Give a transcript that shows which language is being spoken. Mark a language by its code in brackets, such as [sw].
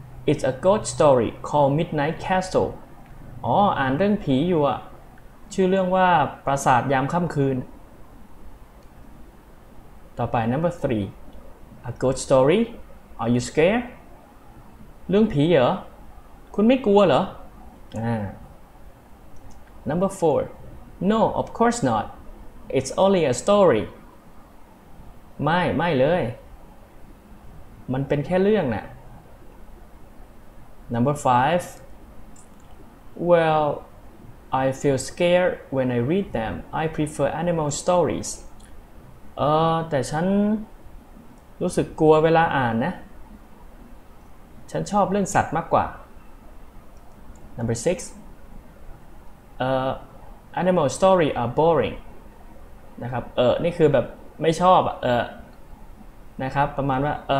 [en] it's a ghost story called midnight castle [th] อ่านเรื่องผีอยู่อ่ะชื่อเรื่องว่าปราสาทยามค่ำคืนต่อไป [en] number 3 a ghost story are you scared [th] เรื่องผีเหรอคุณไม่กลัวเหรอ [en] number 4No, of course not. It's only a story. [th] ไม่เลยมันเป็นแค่เรื่องน่ะ [en] Number 5. Well, I feel scared when I read them. I prefer animal stories. [th] แต่ฉันรู้สึกกลัวเวลาอ่านนะฉันชอบเรื่องสัตว์มากกว่า [en] Number 6. Animal story are boring [th] นะครับนี่คือแบบไม่ชอบนะครับประมาณว่า